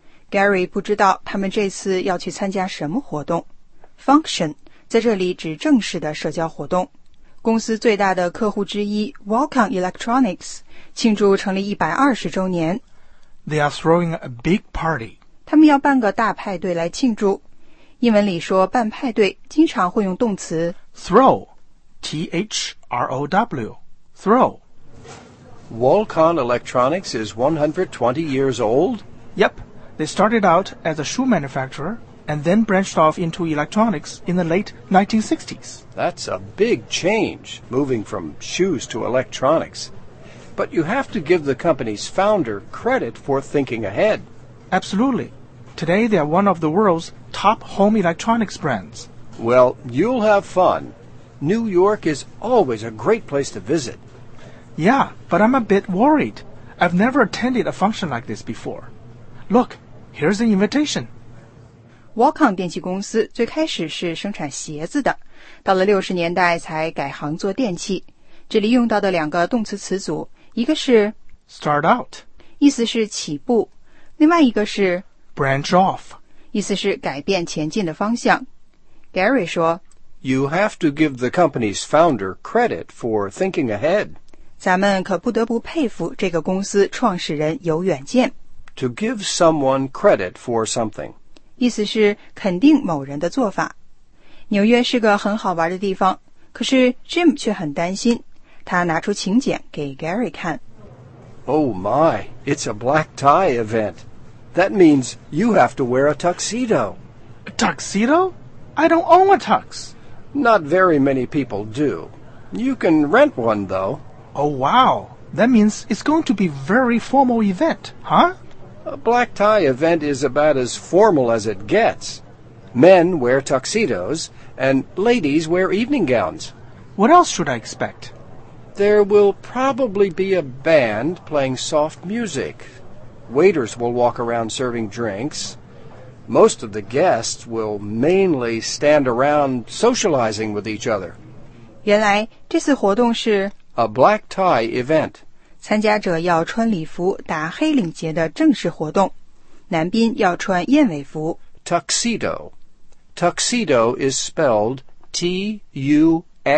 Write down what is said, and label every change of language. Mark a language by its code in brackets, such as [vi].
[zh] Gary 不知道他们这次要去参加什么活动。 Function 在这里指正式的社交活动。公司最大的客户之一 Walcon Electronics 庆祝成立120周年。 [en] They are throwing a big party. [zh] 他们要办个大派对来庆祝。英文里说办派对经常会用动词 [en] Throw, T-H-R-O-W, throw. Walcon Electronics is 120 years old? Yep. They started out as a shoe manufacturer and then branched off into electronics in the late 1960s. That's a big change, moving from shoes to electronics. But you have to give the company's founder credit for thinking ahead. Absolutely. Today they are one of the world's top home electronics brands. Well, you'll have fun. New York is always a great place to visit. Yeah, but I'm a bit worried. I've never attended a function like this before. Look, here's the invitation. [zh] Walcon 电器公司最开始是生产鞋子的，到了60年代才改行做电器。这里用到的两个动词词组，一个是 [en] start out， [zh] 意思是起步，另外一个是 [en] branch off， [zh] 意思是改变前进的方向。 Gary 说， [en] You have to give the company's founder credit for thinking ahead. [zh] 咱们可不得不佩服这个公司创始人有远见。 [en] To give someone credit for something. [zh] 意思是肯定某人的做法。纽约是个很好玩的地方，可是 Jim 却很担心。他拿出请柬给 Gary 看。 [en] Oh my, it's a black tie event. That means you have to wear a tuxedo. A tuxedo? I don't own a tux. Not very many people do. You can rent one, though. Oh, wow. That means it's going to be a very formal event, huh? A black tie event is about as formal as it gets. Men wear tuxedos, and ladies wear evening gowns. What else should I expect? There will probably be a band playing soft music. Waiters will walk around serving drinks. Most of the guests will mainly stand around socializing with each other. [zh] 原来这次活动是 [en] a black tie event. [zh] 参加者要穿礼服打黑领结的正式活动，男宾要穿燕尾服。 [en] Tuxedo. Tuxedo is spelled T-U-X-E-D-O.